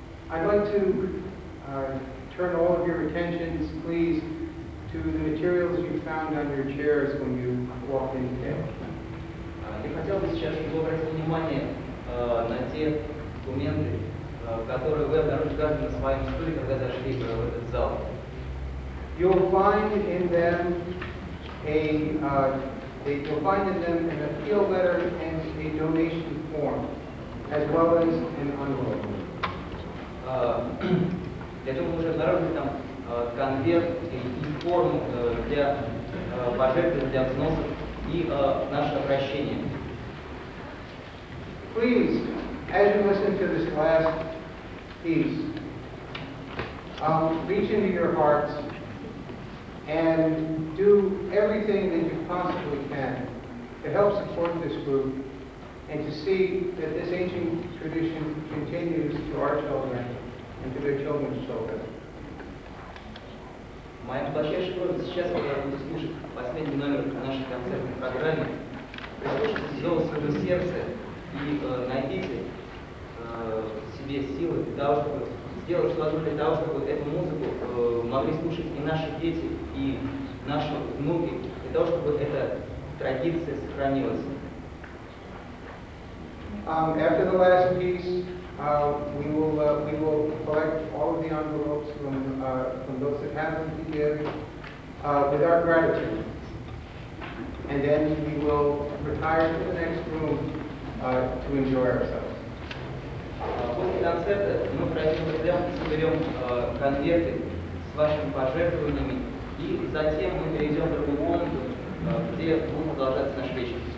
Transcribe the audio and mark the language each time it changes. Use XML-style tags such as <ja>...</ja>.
<en>I'd like to turn all of your attentions, please, to the materials you found on your chairs when you walked in today.</en> <ru>Я хотел бы сейчас обратить внимание на те документы, которые вы обнаружили на своем стуле, когда зашли в этот зал.</ru> <en>You'll find in them they provided them an appeal letter and a donation form, as well as an envelope.</en> <ru>Я думаю, уже заранее там конверт и форму для пожертвований, для взносов и наше обращение.</ru> <en>Please, as you listen to this class, please reach into your hearts and do everything that you possibly can to help support this group and to see that this ancient tradition continues to our children and to their children's children.</en> <ru>Моя глубочайшая просьба сейчас, когда вы будете слушать последний номер нашей концертной программы, прислушайтесь из всего своего сердца и найдите себе силы для того, чтобы сделать что-то для того, чтобы эту музыку могли слушать и наши дети, и наши внуки, для того, чтобы эта традиция сохранилась.</ru> <en>After the last piece, we will collect all of the envelopes from those that have them to give with our gratitude. And then we will retire to the next room to enjoy ourselves.</en> <ru>После концерта мы пройдем и соберем конверты с вашими пожертвованиями, и затем мы перейдем в другую комнату, где будем продолжать наш вечер.</ru>